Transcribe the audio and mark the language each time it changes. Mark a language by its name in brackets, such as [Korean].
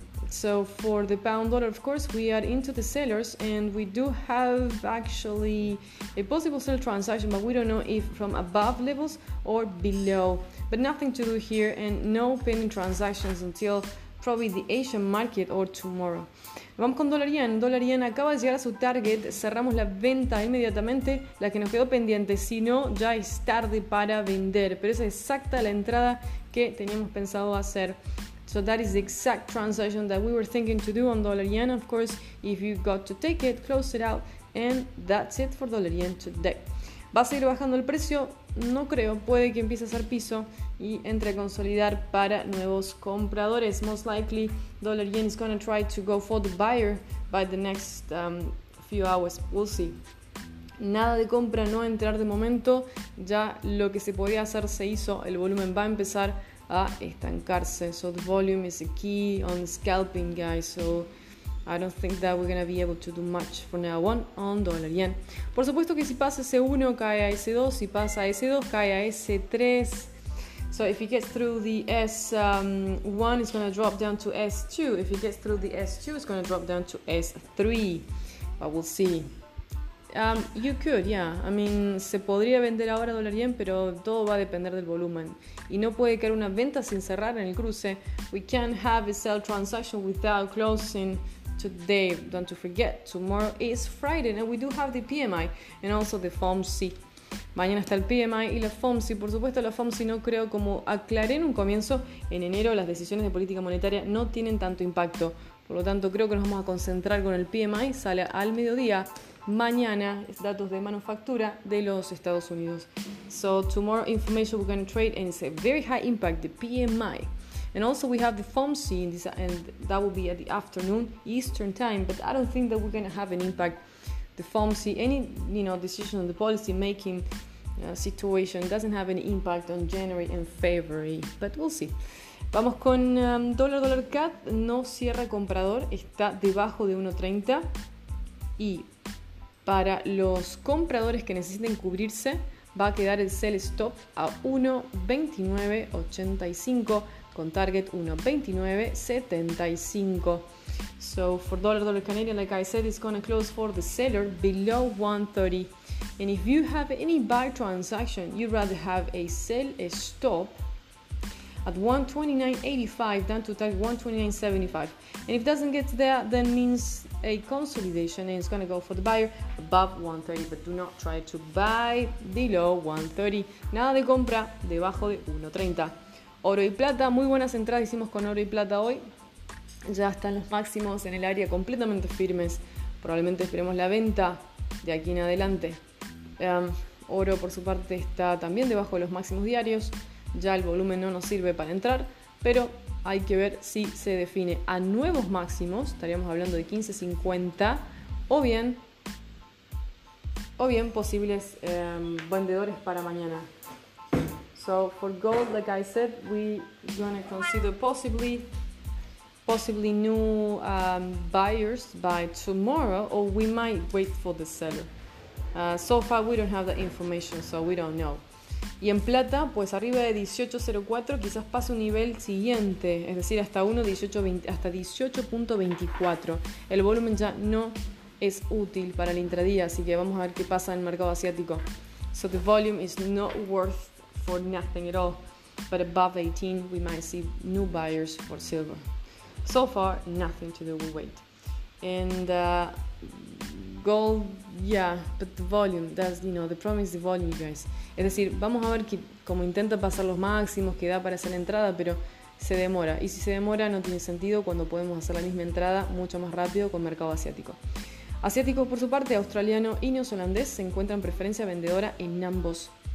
[English] So for the pound dollar, of course, we are into the sellers and we do have actually a possible sell transaction, but we don't know if from above levels or below. But nothing to do here and no pending transactions until probably the Asian market or tomorrow. [Spanish] Vamos con dólar yen. Dólar yen acaba de llegar a su target. Cerramos la venta inmediatamente, la que nos quedó pendiente. Si no, ya es tarde para vender. Pero esa es exacta la entrada que teníamos pensado hacer. [English] So that is the exact transaction that we were thinking to do on dólar yen. Of course, if you got to take it, close it out. And that's it for dólar yen today. [Spanish] ¿Va a seguir bajando el precio? No creo. Puede que empiece a hacer piso y entre a consolidar para nuevos compradores. [English] Most likely, dólar yen is going to try to go for the buyer by the next few hours. We'll see. [Spanish] Nada de compra, no entrar de momento. Ya lo que se podía hacer se hizo. El volumen va a empezar a estancarse. [English] So the volume is a key on scalping, guys. So I don't think that we're going to be able to do much for now on dólar yen. [Spanish] Por supuesto que si pasa S1, cae a S2. Si pasa a S2, cae a S3. [English] So if it gets through the S1, it's going to drop down to S2. If it gets through the S2, it's going to drop down to S3. But we'll see. You could, yeah. I mean, [Spanish] se podría vender ahora dólar yen, pero todo va a depender del volumen. Y no puede caer una venta sin cerrar en el cruce. [English] We can't have a sell transaction without closing today. Don't to forget, tomorrow is Friday and we do have the PMI and also the FOMC. [Spanish] Mañana está el PMI y la FOMC. Por supuesto, la FOMC no creo, como aclaré en un comienzo, en enero las decisiones de política monetaria no tienen tanto impacto. Por lo tanto, creo que nos vamos a concentrar con el PMI. Sale al mediodía. Mañana es datos de manufactura de los Estados Unidos. [English] So tomorrow information we're going to trade and it's a very high impact, the PMI. And also we have the FOMC, and that will be at the afternoon, Eastern time. But I don't think that we're going to have an impact. The FOMC, any decision on the policy making situation doesn't have any impact on January and February. But we'll see. [Spanish] Vamos con dólar, dólar CAD. No cierra comprador. Está debajo de 1.30. Y para los compradores que necesiten cubrirse, va a quedar el sell stop a 1.2985. Con target 1.2975. [English] So for dollar, dollar Canadian, like I said, it's going to close for the seller below 1.30. And if you have any buy transaction, you'd rather have a sell a stop at 1.2985 than to target 1.2975. And if it doesn't get there, then means a consolidation and it's going to go for the buyer above 1.30. But do not try to buy below 1.30. [Spanish] Nada de compra debajo de 1.30. Oro y plata, muy buenas entradas hicimos con oro y plata hoy. Ya están los máximos en el área completamente firmes. Probablemente esperemos la venta de aquí en adelante. Oro, por su parte, está también debajo de los máximos diarios. Ya el volumen no nos sirve para entrar, pero hay que ver si se define a nuevos máximos. Estaríamos hablando de 15.50 o bien posibles vendedores para mañana. [English] So for gold, like I said, we're going to consider possibly new buyers by tomorrow, or we might wait for the seller. So far, we don't have the information, so we don't know. [Spanish] Y en plata, pues arriba de 18.04 quizás pase un nivel siguiente, es decir, hasta 18.24. El volumen ya no es útil para el intradía, así que vamos a ver qué pasa en el mercado asiático. [English] So the volume is not worth for nothing at all, but above 18 we might see new buyers for silver. So far, nothing to do with weight. And gold, yeah, but the volume, that's, you know, the problem is the volume, guys. [Spanish] Es decir, vamos a ver que, como intenta pasar los máximos que da para hacer la entrada, pero se demora. Y si se demora, no tiene sentido cuando podemos hacer la misma entrada mucho más rápido con mercado asiático. Asiáticos, por su parte, australiano y neozelandés se encuentran en preferencia vendedora en ambos.